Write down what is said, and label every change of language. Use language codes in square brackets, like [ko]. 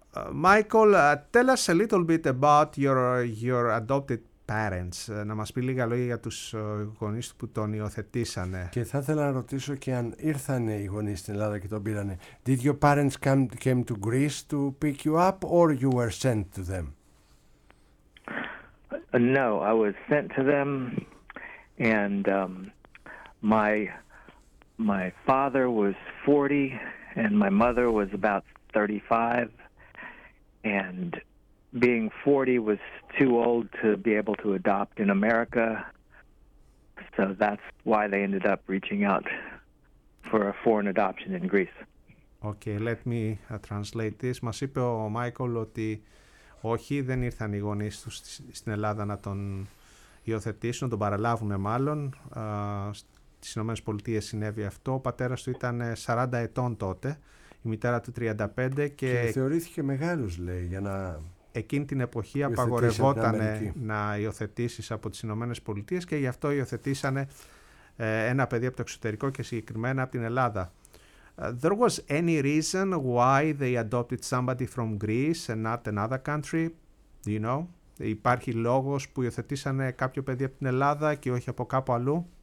[en] Michael, tell us a little bit about your adopted parents. [el] Να μας πει λίγα λόγια για τους γονείς που τον υιοθετήσανε. Και θα ήθελα να ρωτήσω και αν ήρθανε οι γονείς στην Ελλάδα και τον πήρανε. [en] Did your parents came to Greece to pick you up or you were sent to them? No, I was sent to them and my father was 40 and my mother was about 35 and being 40 was too old to be able to adopt in America, so that's why they ended up reaching out for a foreign adoption in Greece. Okay, let me translate this. [el] Μας είπε ο Μάικλ ότι όχι, δεν ήρθαν οι γονείς τους στην Ελλάδα να τον υιοθετήσουν, να τον παραλάβουν μάλλον. Στις Ηνωμένες Πολιτείες συνέβη αυτό. Ο πατέρας του ήταν 40 ετών τότε, η μητέρα του 35. Και θεωρήθηκε μεγάλος, λέει, για να... Εκείνη την εποχή απαγορευόταν να υιοθετήσεις από τις Ηνωμένες Πολιτείες και γι' αυτό υιοθετήσανε ένα παιδί από το εξωτερικό και συγκεκριμένα από την Ελλάδα. [en] There was any reason why they adopted somebody from Greece and not another country, do you know? [el] Υπάρχει λόγος που υιοθετήσανε κάποιο παιδί από την Ελλάδα και όχι από κάπου αλλού?